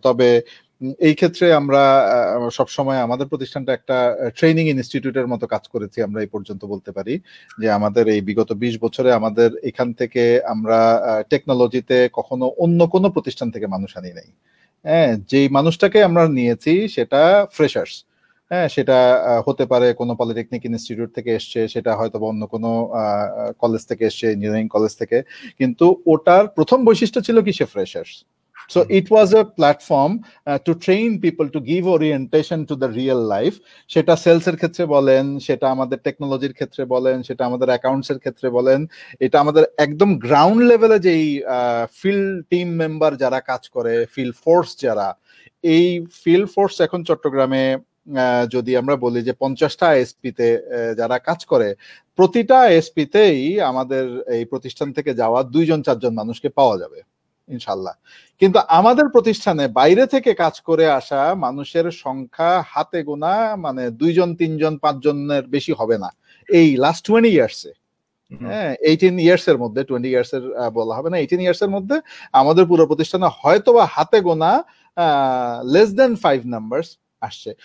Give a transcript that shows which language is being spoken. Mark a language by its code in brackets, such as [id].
[bn] তবে এই ক্ষেত্রে আমরা সবসময়, আমাদের প্রতিষ্ঠানটা একটা ট্রেনিং ইনস্টিটিউটের মতো কাজ করেছি আমরা এই পর্যন্ত বলতে পারি, যে আমাদের এই বিগত 20 বছরে আমাদের এখান থেকে আমরা টেকনোলজিতে কখনো অন্য কোনো প্রতিষ্ঠান থেকে মানুষ আনি নাই। হ্যাঁ, যেই মানুষটাকে আমরা নিয়েছি সেটা ফ্রেশার্স। হ্যাঁ, সেটা হতে পারে কোনো পলিটেকনিক ইনস্টিটিউট থেকে এসছে, সেটা হয়তো বা অন্য কোনো কলেজ থেকে এসছে, ইঞ্জিনিয়ারিং কলেজ থেকে, কিন্তু ওটার প্রথম বৈশিষ্ট্য ছিল কি, সে freshers. [en] So it was a platform to train people, to give orientation to the real life. [bn] Seta sales er khetre bolen, seta amader technology er khetre bolen, seta amader accounts er khetre bolen, eta amader ekdom ground level e je field team member jara kaj kore, field force jara, ei field force ekhon Chattogram e যদি আমরা বলি যে 50টা SP তে যারা কাজ করে, প্রতিটা SP তেই আমাদের এই প্রতিষ্ঠান থেকে যাওয়া দুইজন চারজন মানুষকে পাওয়া যাবে ইনশাল্লাহ। কিন্তু আমাদের প্রতিষ্ঠানে বাইরে থেকে কাজ করে আসা মানুষের সংখ্যা হাতে গোনা, মানে দুইজন তিনজন পাঁচজনের বেশি হবে না এই লাস্ট 20 ইয়ার্সে। হ্যাঁ, 18 ইয়ার্স এর মধ্যে, 20 ইয়ার্স এর বলা হবে না, 18 ইয়ার্স এর মধ্যে আমাদের পুরো প্রতিষ্ঠানে হয়তোবা হাতে গোনা লেস দেন 5 নাম্বার আসছে।